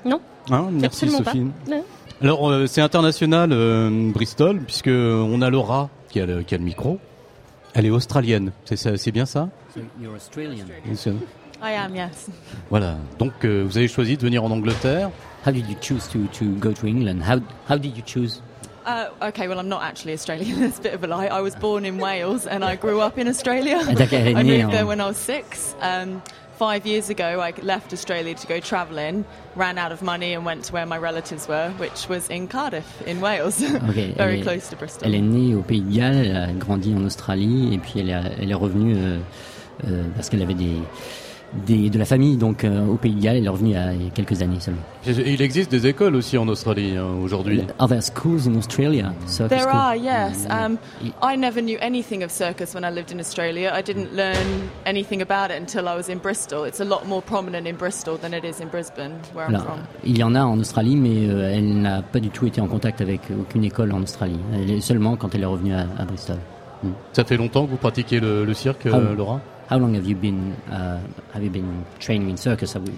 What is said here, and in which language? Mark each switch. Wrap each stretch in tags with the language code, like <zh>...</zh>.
<fr>Non. Hein, merci Sophie. Alors c'est international Bristol puisque on a Laura qui a le micro. Elle est australienne. C'est bien ça?</fr> <en>So you're Australian. I am, yes.</en> <fr>Voilà. Donc vous avez choisi de venir en Angleterre.</fr> <en>How did you choose to go to England? How did you choose? Okay, well, I'm not actually Australian. That's a bit of a lie. I was born in Wales and I grew up in Australia.</en> <fr>D'accord.</fr> <en>I moved there when I was 6. 5 years ago, I left Australia to go travelling, ran out of money and went to where my relatives were, which was in Cardiff, in Wales, okay, very close to Bristol.</en> <fr>Elle est née au Pays de Galles, elle a grandi en Australie et puis elle est revenue parce qu'elle avait de la famille donc au Pays de Galles. Elle est revenue il y a quelques années seulement. Il existe des écoles aussi en Australie aujourd'hui.</fr> <en>Are there schools in Australia? Circus there school? Are, yes. I never knew anything of circus when I lived in Australia. I didn't learn anything about it until I was in Bristol. It's a lot more prominent in Bristol than it is in Brisbane, where</en> <fr>Alors,</fr> <en>I'm from.</en> <fr>Il y en a en Australie, mais elle n'a pas du tout été en contact avec aucune école en Australie. Elle est seulement quand elle est revenue à Bristol. Ça fait longtemps que vous pratiquez le cirque, Laura?</fr> <en>How long have you been training in circus?</en>